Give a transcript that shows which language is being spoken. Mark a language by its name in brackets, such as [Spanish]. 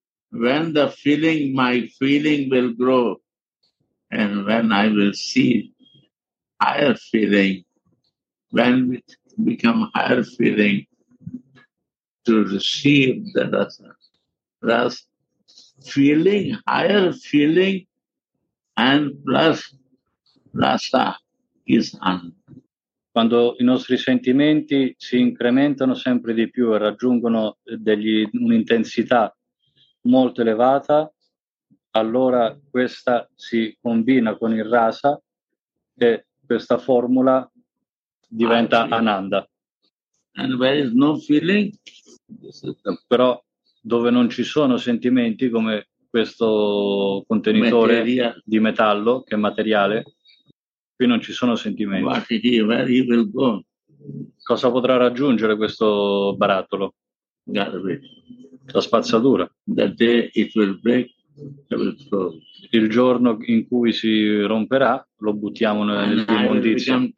[English] When the feeling, my feeling will grow, and when I will see higher feeling, when it become higher feeling to receive the rasa, rasa feeling, higher feeling, and plus rasa is Ananda. [Italian] Quando i nostri sentimenti si incrementano sempre di più e raggiungono un'intensità molto elevata, allora questa si combina con il rasa e questa formula diventa Ananda. [English] And where is no feeling? [Italian] Però dove non ci sono sentimenti, come questo contenitore di metallo, che è materiale, qui non ci sono sentimenti. [English] What is he, where he will go? [Italian] Cosa potrà raggiungere questo barattolo? [English] Garbage. [Italian] La spazzatura. [English] The day it will break, it will throw. [Italian] Il giorno in cui si romperà, lo buttiamo nell'immondizia.